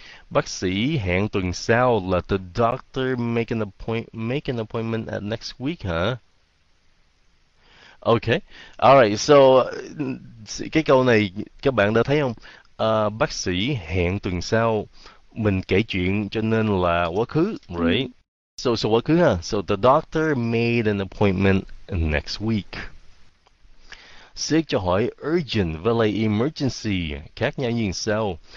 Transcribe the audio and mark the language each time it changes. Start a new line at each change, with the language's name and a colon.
Vietnamese: Bác sĩ hẹn tuần sau là
English: the doctor make an appointment at next week, hả? Huh? Okay.
Vietnamese: Alright, so cái câu này các bạn đã thấy không? Bác sĩ hẹn tuần sau. Mình kể chuyện cho nên là quá khứ, right? So quá khứ ha.
English: So the doctor made an appointment next week.
Vietnamese: Sếp cho hỏi urgent và lại emergency khác nhau như sao?